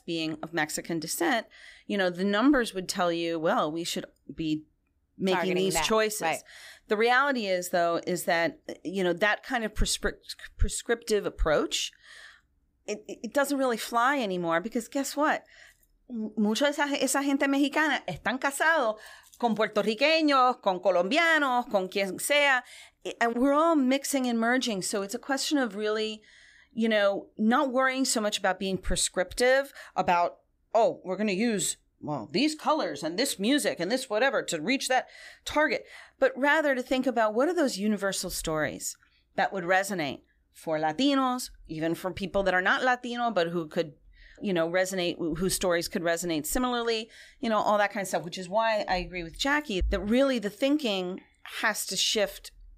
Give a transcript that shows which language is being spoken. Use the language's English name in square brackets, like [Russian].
[English] being of Mexican descent, you know, the numbers would tell you, well, we should be making targeting these that. Choices. Right. The reality is, though, is that, you know, that kind of prescriptive approach, it doesn't really fly anymore because guess what? [Spanish] Mucha esa gente mexicana están casados con puertorriqueños, con colombianos, con quien sea. [English] And we're all mixing and merging. So it's a question of really, you know, not worrying so much about being prescriptive about, oh, we're going to use, well, these colors and this music and this whatever to reach that target. But rather to think about what are those universal stories that would resonate for Latinos, even for people that are not Latino, but who could, you know, resonate, whose stories could resonate similarly, you know, all that kind of stuff, which is why I agree with Jackie that really the thinking has to shift.